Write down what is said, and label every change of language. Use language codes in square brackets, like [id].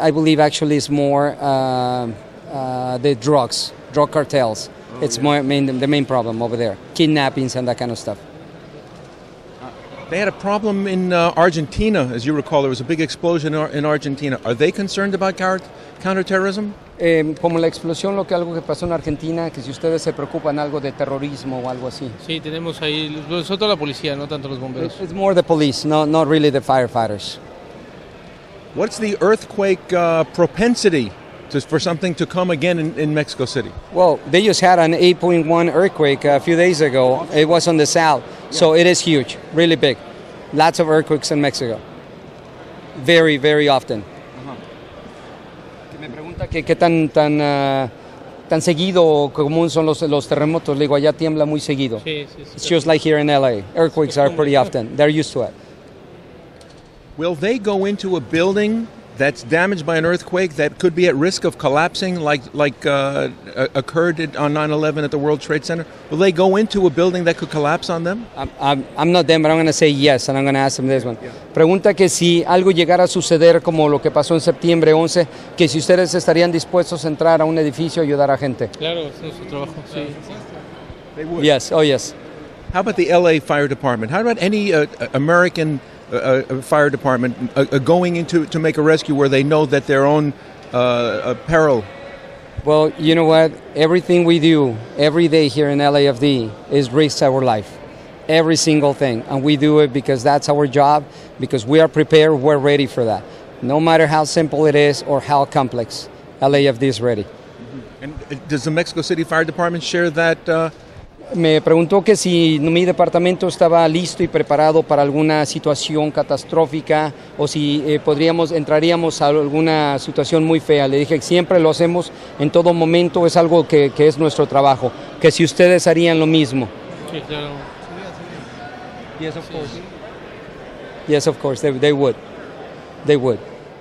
[en] I believe actually it's more the drugs, drug cartels. The main problem over there, kidnappings and that kind of stuff. They had a problem in Argentina, as you recall. There was a big explosion in Argentina. Are they concerned about counterterrorism? [es] Como la explosión, lo que algo que pasó en Argentina, que si ustedes se preocupan algo de terrorismo o algo así. Sí, tenemos ahí, nosotros la policía, no tanto los bomberos. [en] It's more the police, not really the firefighters. What's the earthquake propensity for something to come again in Mexico City? Well, they just had an 8.1 earthquake a few days ago. It was on the south, so it is huge, really big. Lots of earthquakes in Mexico. Very, very often. [es] Me pregunta qué tan seguido común son los terremotos. Le digo, allá tiembla muy seguido. [en] It's just like here in L.A. Earthquakes are pretty often. They're used to it. Will they go into a building that's damaged by an earthquake that could be at risk of collapsing like occurred on 9/11 at the World Trade Center? Will they go into a building that could collapse on them? I'm not them, but I'm going to say yes, and I'm going to ask them this one. Yeah. [es] Pregunta que si algo llegara a suceder como lo que pasó en septiembre 11, que si ustedes estarían dispuestos a entrar a un edificio y ayudar a gente. Claro, es nuestro trabajo. Sí. [en] They would. Yes, oh yes. How about the LA Fire Department? How about any American fire department going into to make a rescue where they know that their own peril? Well, you know what? Everything we do every day here in LAFD is risks our life. Every single thing. And we do it because that's our job, because we are prepared, we're ready for that. No matter how simple it is or how complex, LAFD is ready. Mm-hmm. And does the Mexico City Fire Department share that? [es] Me preguntó que si mi departamento estaba listo y preparado para alguna situación catastrófica o si entraríamos a alguna situación muy fea. Le dije que siempre lo hacemos en todo momento, es algo que es nuestro trabajo. Que si ustedes harían lo mismo. Sí, claro. [en] Yes, of course. Yes, of course, they would. They would.